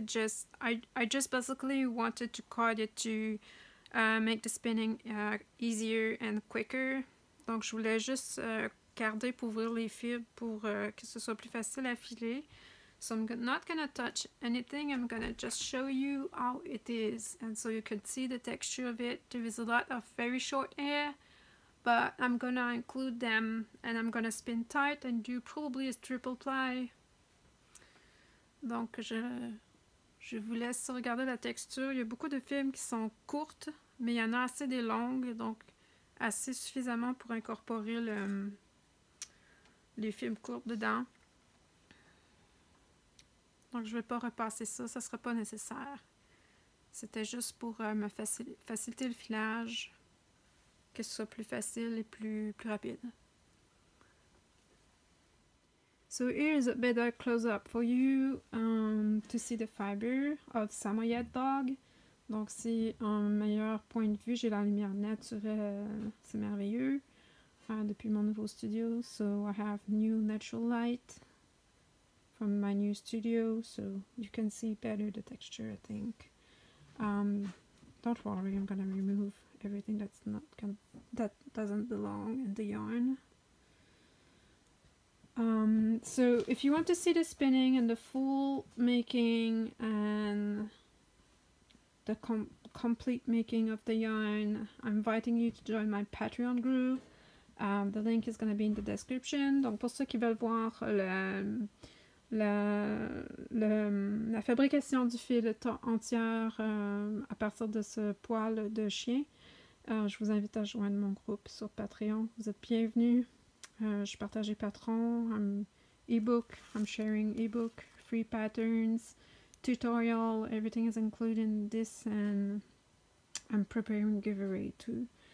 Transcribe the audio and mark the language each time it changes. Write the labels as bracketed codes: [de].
[en] It just I just basically wanted to card it to make the spinning easier and quicker. [fr] Donc je voulais juste carder pour ouvrir les fibres pour que ce soit plus facile à filer. [en] So I'm not gonna touch anything. I'm gonna just show you how it is, and so you can see the texture of it. There is a lot of very short hair, but I'm gonna include them, and I'm gonna spin tight and do probably a triple ply. [fr] Donc je vous laisse regarder la texture. Il y a beaucoup de fibres qui sont courtes mais il y en a assez des longues, donc assez suffisamment pour incorporer les fibres courtes dedans. Donc, je ne vais pas repasser ça, ça ne sera pas nécessaire. C'était juste pour me faciliter le filage, que ce soit plus facile et plus rapide. [en] So here's a better close-up for you to see the fiber of Samoyed dog. [fr] Donc c'est un meilleur point de vue, j'ai la lumière naturelle, c'est merveilleux. Depuis mon nouveau studio, [en] so I have new natural light from my new studio, so you can see better the texture, I think. Don't worry, I'm gonna remove everything that's not that doesn't belong in the yarn. So if you want to see the spinning and the full making and the complete making of the yarn, I'm inviting you to join my Patreon group. The link is going to be in the description. [fr] Donc pour ceux qui veulent voir la fabrication du fil entière à partir de ce poil de chien, je vous invite à joindre mon groupe sur Patreon. Vous êtes bienvenus. Je partage les patrons, [en] ebook, I'm sharing ebook, free patterns, tutorial, everything is included in this, and I'm preparing giveaway too.